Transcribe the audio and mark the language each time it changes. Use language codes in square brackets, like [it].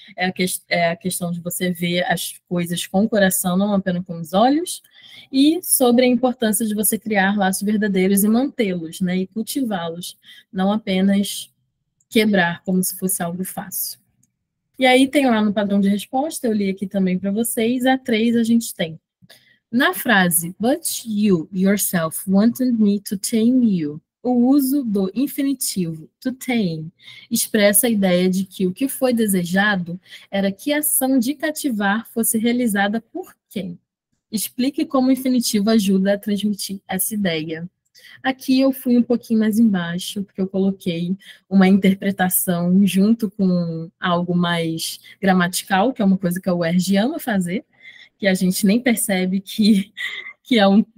[pt] É a questão de você ver as coisas com o coração, não apenas com os olhos. E sobre a importância de você criar laços verdadeiros e mantê-los, né? E cultivá-los, não apenas quebrar como se fosse algo fácil. E aí tem lá no padrão de resposta, eu li aqui também para vocês, a 3 a gente tem. Na frase, [en] But you, yourself, wanted me to tame you. [pt] O uso do infinitivo to tame expressa a ideia de que o que foi desejado era que a ação de cativar fosse realizada por quem? Explique como o infinitivo ajuda a transmitir essa ideia. Aqui eu fui um pouquinho mais embaixo, porque eu coloquei uma interpretação junto com algo mais gramatical, que é uma coisa que a UERJ ama fazer, que a gente nem percebe que é um.